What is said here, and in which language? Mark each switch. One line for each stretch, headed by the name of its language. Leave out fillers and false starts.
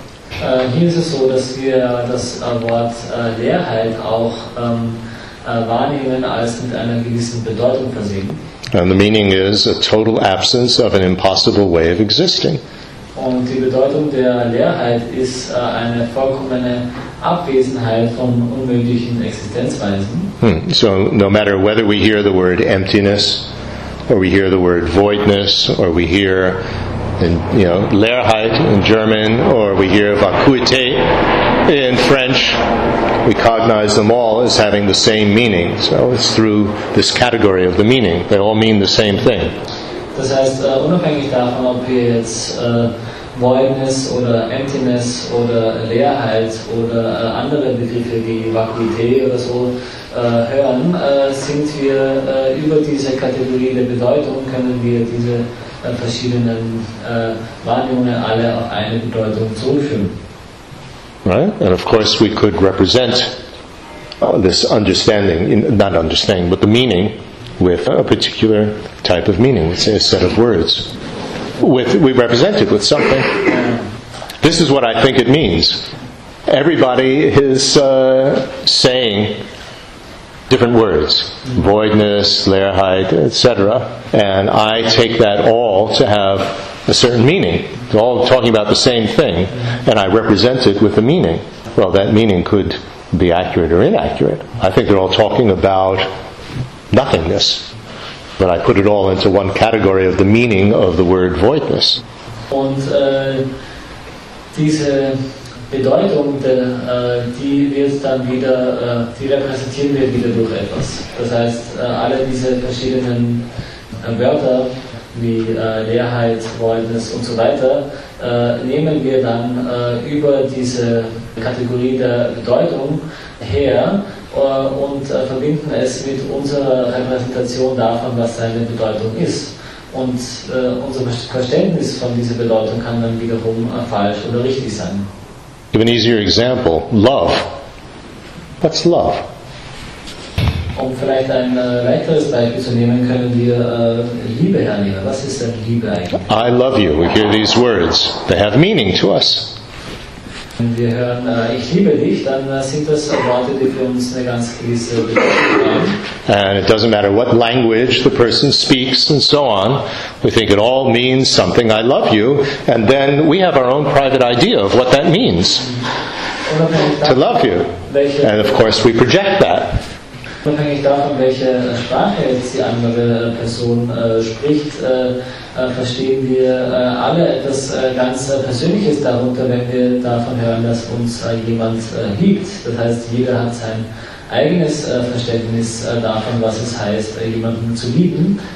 German: Hier ist es so, dass wir das Wort Leerheit auch wahrnehmen als mit einer gewissen Bedeutung versehen.
English: And the meaning is a total absence of an impossible way of existing.
German: Und die Bedeutung der Leerheit ist eine vollkommene Abwesenheit von unmöglichen Existenzweisen.
English: So no matter whether we hear the word emptiness or we hear the word voidness or we hear in, you know, Leerheit in German or we hear Vakuität in French, we cognize them all as having the same meaning. So it's through this category of the meaning. They all mean the same thing.
German: Das heißt, unabhängig davon, ob wir jetzt Voidness oder Emptiness oder Leerheit oder andere Begriffe wie Vakuität oder so hören, sind wir über diese Kategorie der Bedeutung, können wir diese verschiedenen Wahrnehmungen alle auf eine Bedeutung zurückführen.
English: Right? And of course we could represent this understanding, not understanding, but the meaning, with a particular type of meaning, let's say a set of words. We represent it with something. This is what I think it means. Everybody is saying different words, voidness, Leerheit, etc. And I take that all to have a certain meaning. They're all talking about the same thing, and I represent it with a meaning. Well, that meaning could be accurate or inaccurate. I think they're all talking about nothingness, but I put it all into one category of the meaning of the word voidness.
German: Und diese Bedeutung, die wird dann wieder, die repräsentieren wir wieder durch etwas. Das heißt, alle diese verschiedenen Wörter wie Leerheit, Voidness und so weiter nehmen wir dann über diese Kategorie der Bedeutung her. Und verbinden es mit unserer Repräsentation davon, was seine Bedeutung ist. Und unser Verständnis von dieser Bedeutung kann dann wiederum falsch oder richtig sein.
English: Give an easier example. Love. What's love?
German: Um vielleicht ein weiteres Beispiel zu nehmen, können wir Liebe hernehmen. Was ist denn Liebe eigentlich?
English: I love you. We hear these words. They have meaning to us.
German: Wenn wir hören, ich liebe dich, dann sind das Worte, die für uns eine ganz gewisse Bedeutung haben.
English: And it doesn't matter what language the person speaks and so on, we think it all means something, I love you, and then we have our own private idea of what that means, to love you. And of course we project that.
German: Unabhängig davon, welche Sprache jetzt die andere Person spricht, verstehen wir alle etwas ganz Persönliches darunter, wenn wir davon hören, dass uns jemand liebt. Das heißt, jeder hat sein eigenes Verständnis davon, was es heißt, jemanden zu lieben.